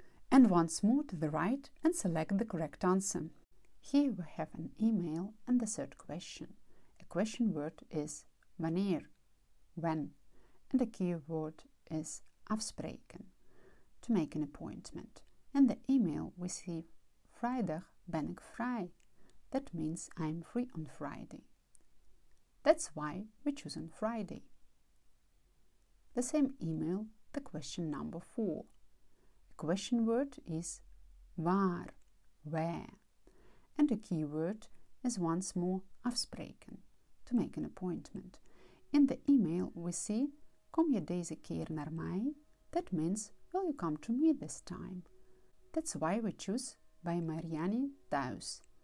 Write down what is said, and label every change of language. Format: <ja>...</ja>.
<en>And once more to the right and select the correct answer. Here we have an email and the third question. A question word is wanneer, when, and a keyword is afspreken, to make an appointment. In the email we see</en> <nl>Vrijdag ben ik vrij.</nl> <en>That means I am free on Friday. That's why we choose on Friday. The same email, the question number 4. The question word is waar, where. And the keyword is once more afspreken, to make an appointment. In the email we see</en> <nl>kom je deze keer naar mij?</nl> <en>That means will you come to me this time? That's why we choose</en> <nl>bij Marianne thuis.</nl>